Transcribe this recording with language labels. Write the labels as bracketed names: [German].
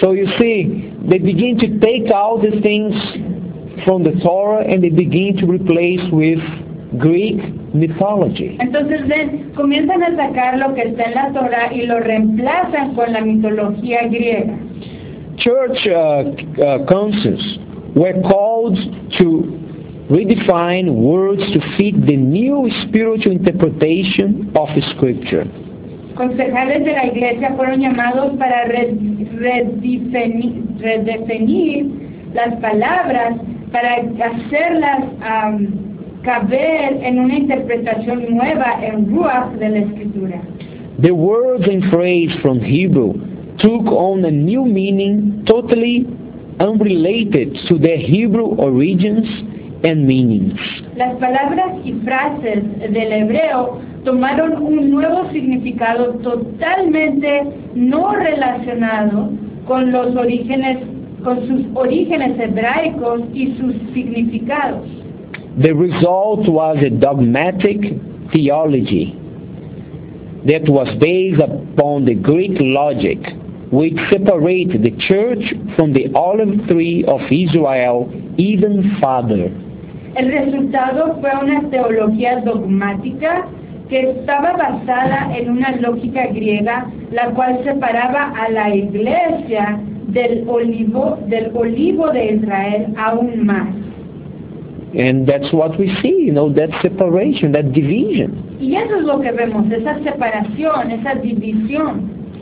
[English] So you see, they begin to take all these things from the Torah and they begin to replace with Greek mythology. [Spanish] Entonces ven, comienzan a sacar lo que está en la Torah y lo reemplazan con la mitología griega. [English] Church councils were called to redefine words to fit the new spiritual interpretation of Scripture. [Spanish] Concejales de la iglesia fueron llamados para redefinir las palabras para hacerlas caber en una interpretación nueva en Ruach de la Escritura. [English] The words and phrases from Hebrew took on a new meaning totally unrelated to their Hebrew origins and meanings. [Spanish] Las palabras y frases del hebreo tomaron un nuevo significado totalmente no relacionado con los orígenes, con sus orígenes hebraicos y sus significados. [English] The result was a dogmatic theology that was based upon the Greek logic, which separated the church from the olive tree of Israel even further. [Spanish] El resultado fue una teología dogmática que estaba basada en una lógica griega, la cual separaba a la iglesia del olivo de Israel aún más. [English] And that's what we see, you know, that separation, that division. [Spanish] Y eso es lo que vemos, esa separación, esa división.